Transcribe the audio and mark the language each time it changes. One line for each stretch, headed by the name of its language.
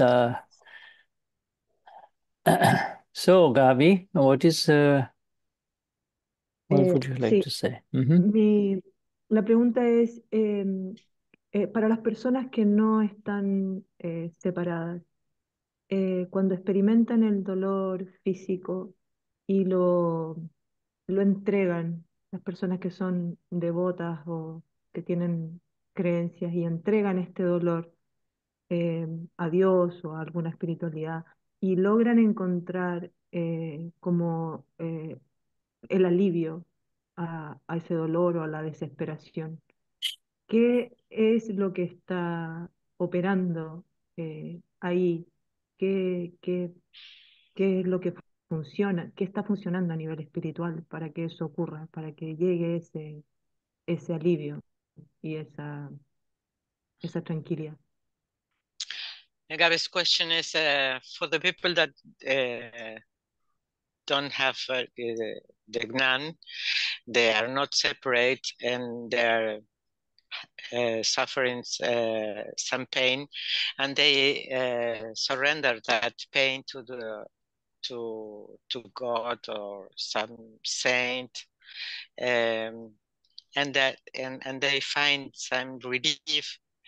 English: So, Gabi, what is what would you like to say? Mm-hmm.
Spanish: La pregunta es para las personas que no están separadas, cuando experimentan el dolor físico y lo entregan, las personas que son devotas o que tienen creencias y entregan este dolor a Dios o a alguna espiritualidad y logran encontrar como el alivio a ese dolor o a la desesperación. ¿Qué es lo que está operando ahí? ¿Qué es lo que funciona? ¿Qué está funcionando a nivel espiritual para que eso ocurra, para que llegue ese alivio y esa tranquilidad?
English: Gabby's question is for the people that don't have the Gnan, they are not separate and they're suffering some pain, and they surrender that pain to the to God or some saint, and that and they find some relief.